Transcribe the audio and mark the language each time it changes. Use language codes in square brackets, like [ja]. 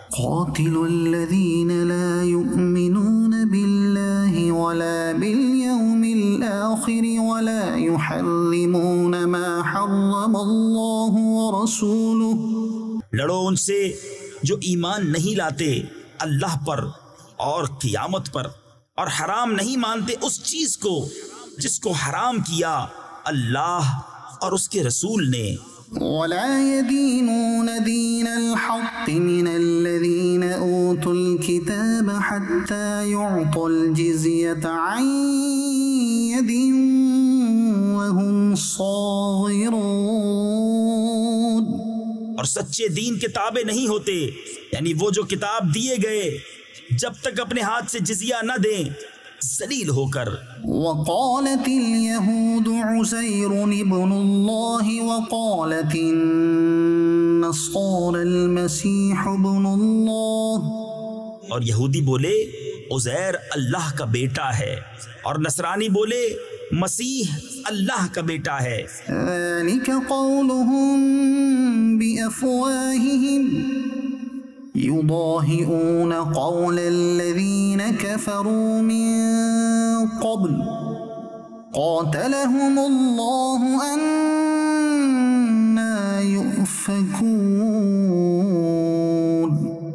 [ar] قاتل الذین لا یؤمنون باللہ ولا بالیوم الآخر ولا یحرمون ما حرم اللہ ورسوله. [ur] لڑو ان سے جو ایمان نہیں لاتے اللہ پر اور قیامت پر, اور حرام نہیں مانتے اس چیز کو جس کو حرام کیا اللہ اور اس کے رسول نے. [ar] ولا يدينون دين الحق من الذين اوتوا الكتاب حتى يعطوا الجزية عن يد وهم صاغرون. [ur] اور سچے دین کے تابع نہیں ہوتے, یعنی وہ جو کتاب دیے گئے, جب تک اپنے ہاتھ سے جزیہ نہ دیں ذلیل ہو کر. [ar] وقالت اليهود عزير ابن الله وقالت النصارى المسيح ابن الله. [ur] اور یہودی بولے عزیر اللہ کا بیٹا ہے, اور نصرانی بولے مسیح اللہ کا بیٹا ہے. [ar] ذلك قولهم بأفواههم يُضَاهِئُونَ قَوْلَ الَّذِينَ كَفَرُوا مِن قَبْلُ قَاتَلَهُمُ اللَّهُ أَنَّا يُؤْفَكُونَ.